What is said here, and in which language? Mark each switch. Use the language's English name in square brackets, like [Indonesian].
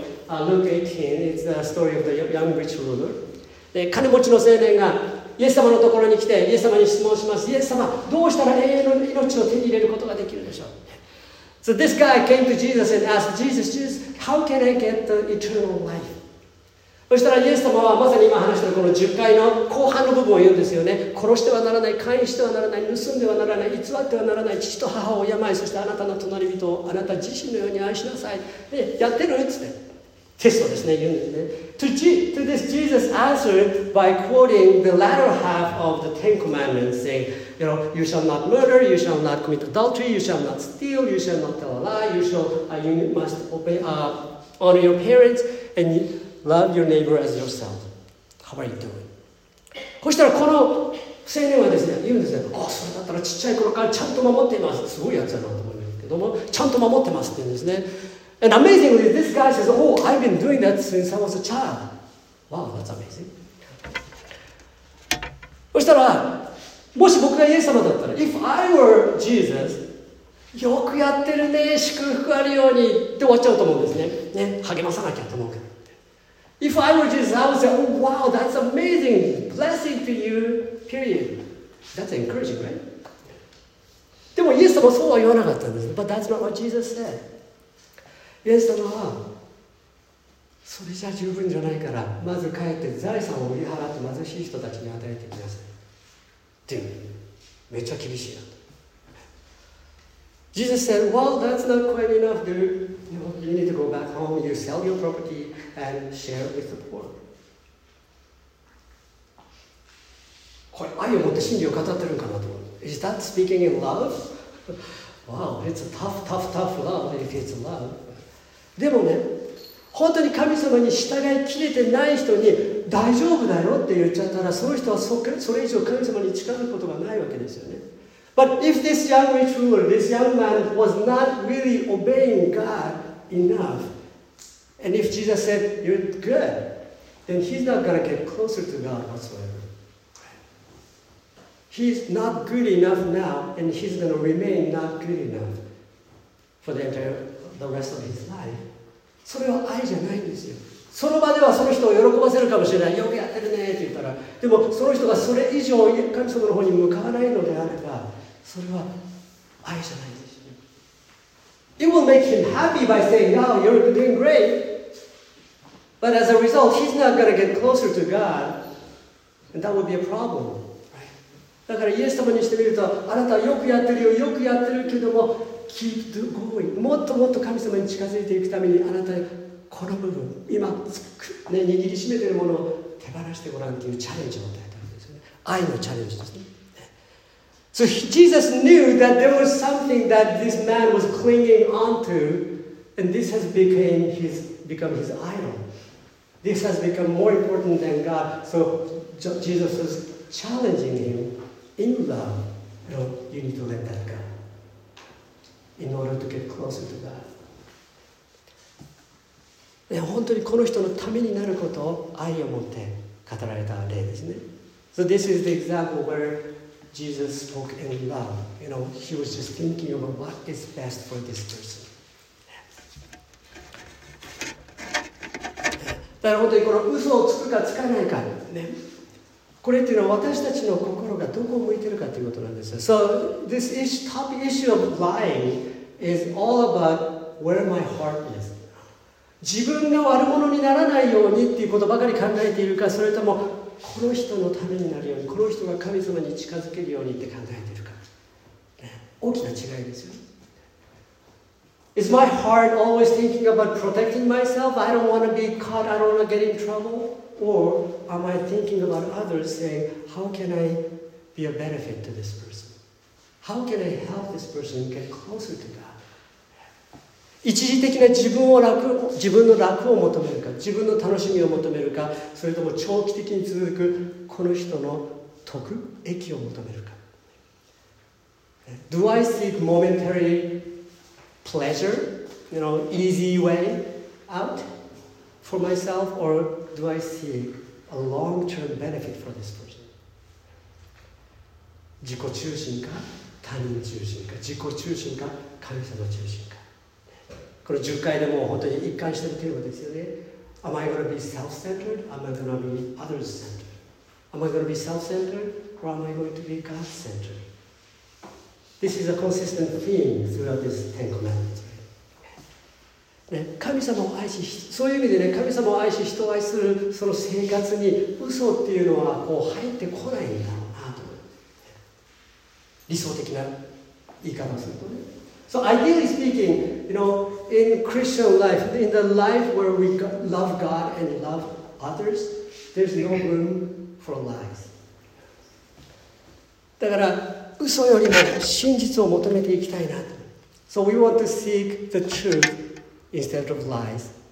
[English] And there's another storyLuke 18, it's the story of the young rich ruler. [Japanese] で、金持ちの青年がイエス様のところに来て、イエス様に質問します。イエス様、どうしたら永遠の命を手に入れることができるでしょう。 [English] So this guy came to Jesus and asked, Jesus, how can I get the eternal life? [Japanese] そしたらイエス様はまさに今話しているこの10回の後半の部分を言うんですよね。殺してはならない、勧誘してはならない、盗んではならない、偽ってはならない、父と母を敬い、そしてあなたの隣人をあなた自身のように愛しなさい。で、やってるっつって。テストですね、言うんですね。 [English] To this, Jesus answered by quoting the latter half of the Ten Commandments, saying, you know, you shall not murder, you shall not commit adultery, you shall not steal, you shall not tell a lie, you must obey, honor your parents, and love your neighbor as yourself. How are you doing? [Japanese] そしたらこの青年はですね、言うんですね、それだったらちっちゃい頃からちゃんと守っています。すごいやつだなと思いますけども、ちゃんと守ってますって言うんですね。 [English] And amazingly, this guy says, oh, I've been doing that since I was a child. Wow, that's amazing. [Japanese] そしたら、もし僕がイエス様だったら、 [English] If I were Jesus, [Japanese] よくやってるね、祝福あるようにって終わっちゃうと思うんですね。ね、励まさなきゃと思うけど。 [English] If I were Jesus, I would say, oh, wow, that's amazing. Blessing to you, period. That's encouraging, right? [Japanese] でもイエス様そうは言わなかったんです。 [English] But that's not what Jesus said. [Japanese] イエス様はそれじゃ十分じゃないから、まず帰って財産を売り払って貧しい人たちに与えてくださいっていう、めっちゃ厳しいなと。 [English] Jesus said, well, that's not quite enough, dude. You need to go back home, you sell your property and share with the poor. [Japanese] これ愛を持って真理を語ってるんかなと思う。 [English] Is that speaking in love? Wow, it's a tough, tough, tough love if it's love. [Japanese] でもね、本当に神様に従いきれてない人に大丈夫だよって言っちゃったら、その人はそれ以上神様に近づくことがないわけですよね。 [English] But if this young rich ruler, this young man was not really obeying God enough, and if Jesus said, you're good, then he's not going to get closer to God whatsoever. He's not good enough now, and he's going to remain not good enough for the entire world. The rest of his life. [Japanese] それは愛じゃないんですよ。その場ではその人を喜ばせるかもしれない。よくやってるねって言ったら、でもその人がそれ以上神様の方に向かわないのであれば、それは愛じゃないんですよ。 [English] It will make him happy by saying, "Now you're doing great." But as a result, he's not going to get closer to God. And that would be a problem. [Japanese] だからイエス様にしてみると、あなたはよくやってるよ、よくやってるけども、 [English] keep going。 [Japanese] もっともっと神様に近づいていくために、あなたはこの部分、今、ね、握りしめているものを手放してごらんというチャレンジを与えたんですね。愛のチャレンジですね。 [English] So Jesus knew that there was something that this man was clinging onto, and this has become his idol. This has become more important than God. So Jesus was challenging him in love. No, you need to let that go in order to get closer to God. [Japanese] 本当にこの人のためになることを愛を持って語られた例ですね。 [English] So this is the example where. Jesus spoke in love. You know, he was just thinking about what is best for this person. [Japanese] だから本当にこの嘘をつくかつかないかね。これっていうのは私たちの心がどこを向いてるかということなんですよ。 [English] So this top issue of lying is all about where my heart is. [Japanese] 自分が悪者にならないようにっていうことばかり考えているか、それともこの人のためになるように、この人が神様に近づけるようにって考えているか、大きな違いですよ。 [English] Is my heart always thinking about protecting myself? I don't want to be caught. I don't want to get in trouble. Or am I thinking about others, saying, "How can I be a benefit to this person? How can I help this person get closer to God?" [Japanese] 一時的な自分の楽を求めるか、自分の楽しみを求めるか、それとも長期的に続くこの人の得、益を求めるか。 [English] Do I seek momentary pleasure, you know, easy way out for myself, or do I seek a long-term benefit for this person? [Japanese] 自己中心か、他人中心か、自己中心か、神様中心か。この10回でも本当に一貫してるテーマですよね。 [English] Am I going to be self-centered? Am I going to be others-centered? Am I going to be self-centered? Or am I going to be God-centered? This is a consistent theme throughout this Ten Commandments.、 [Japanese] ね、神様を愛し、そういう意味でね、神様を愛し、人を愛するその生活に嘘っていうのはこう入ってこないんだろうなと思う。理想的な言い方をするとね。 [English] So ideally speaking, you know, in Christian life, in the life where we love God and love others, there's no room for lies. [Japanese] だから嘘よりも真実を求めていきたいな。 [English] So we want to seek the truth instead of lies.